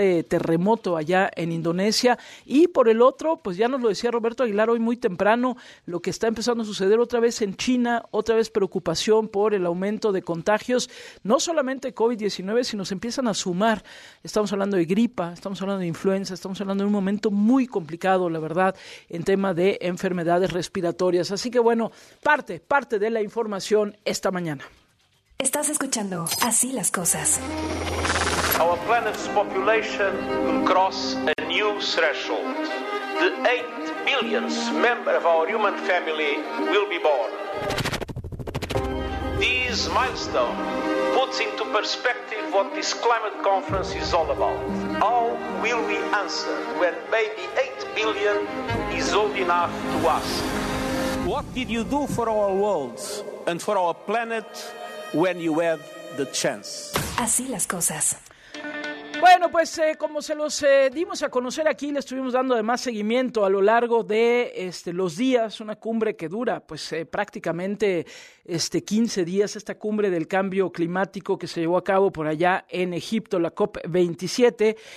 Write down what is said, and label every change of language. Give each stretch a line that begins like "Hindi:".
Spanish: terremoto allá en Indonesia, y por el otro, pues ya nos lo decía Roberto Aguilar hoy muy temprano, lo que está empezando a suceder otra vez en China, otra vez preocupación por el aumento de contagios, no solamente COVID-19, sino se empiezan a sumar, estamos hablando de gripa, estamos hablando de influenza, estamos hablando de un momento muy complicado, la verdad, en tema de enfermedades respiratorias. Así que bueno, parte de la información esta mañana. Estás escuchando Así las Cosas.
English: Our planet's population will cross a new threshold. The 8 billionth member of our human family will be born. This milestone puts into perspective what this climate conference is all about. How will we answer when baby 8 billion is old enough to ask? What did you do for our worlds and for our planet when you had the chance?
Spanish: Así las cosas. Bueno, pues como se los dimos a conocer aquí, le estuvimos dando además seguimiento a lo largo de los días, una cumbre que dura pues prácticamente 15 días, esta cumbre del cambio climático que se llevó a cabo por allá en Egipto, la COP27.